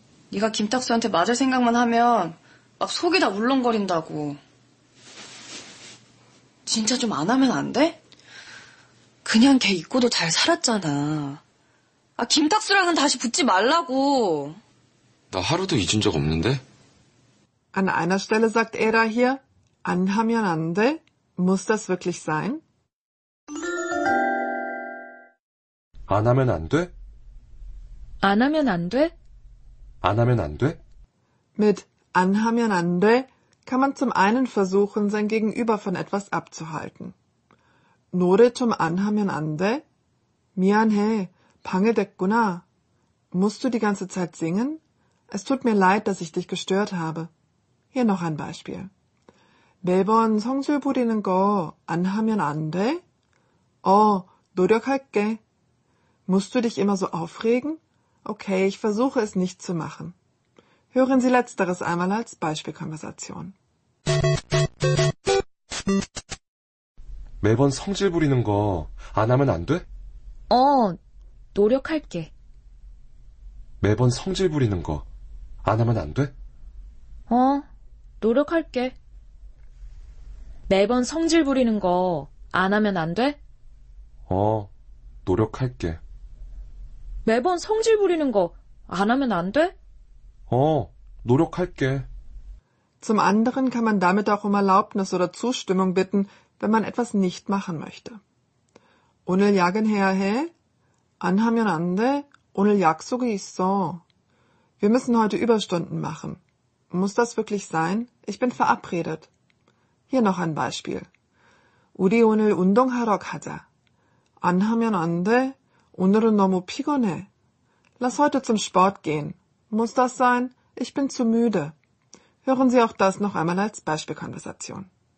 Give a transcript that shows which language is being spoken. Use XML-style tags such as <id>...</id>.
<ko>"네가 김탁수한테 맞을 생각만 하면 막 속이 다 울렁거린다고. 진짜 좀 안 하면 안 돼? 그냥 걔 잊고도 잘 살았잖아. 아, 김탁수랑은 다시 붙지 말라고. 나 하루도 잊은 적 없는데?"</ko> <de>An einer Stelle sagt Era hier,</de> <ko>"안하면 안 돼?</ko> <de>Muss das wirklich sein?"</de> <ko>안 하면 안 돼? 안 하면 안 돼? 안 하면 안 돼?</ko> <de>Mit</de> <ko>"안 하면 안 돼"</ko> <de>kann man zum einen versuchen, sein Gegenüber von etwas abzuhalten.</de> <ko>노래 좀 안 하면 안 돼? 미안해, 방해됐구나.</ko> <de>Musst du die ganze Zeit singen? Es tut mir leid, dass ich dich gestört habe. Hier noch ein Beispiel.</de> <ko>매번 성질 부리는 거 안 하면 안 돼? 어, 노력할게.</ko> <de>Musst du dich immer so aufregen? Okay, ich versuche es nicht zu machen. Hören Sie Letzteres einmal als Beispielkonversation.</de> <ko>매번 성질 부리는 거 안 하면 안 돼? 어, 노력할게. 매번 성질 부리는 거 안 하면 안 돼? 어, 노력할게. 매번 성질 부리는 거 안 하면 안 돼? 어, 노력할게. 매번 성질 부리는 거 안 하면 안 돼? 어, 노력할게.</ko> <de>Zum anderen kann man damit auch um Erlaubnis oder Zustimmung bitten, wenn man etwas nicht machen möchte.</de> <ko>오늘 약은 해야 해? 안 하면 안 돼? 오늘 약속이 있어.</ko> <de>Wir müssen heute Überstunden machen. Muss das wirklich sein? Ich bin verabredet. Hier noch ein Beispiel.</de> <ko>우리 오늘 운동하러 가자. 안 하면 안 돼? 오늘은 너무 피곤해.</ko> <de>Lass heute zum Sport gehen. Muss das sein? Ich bin zu müde. Hören Sie auch das noch einmal als Beispielkonversation.</de>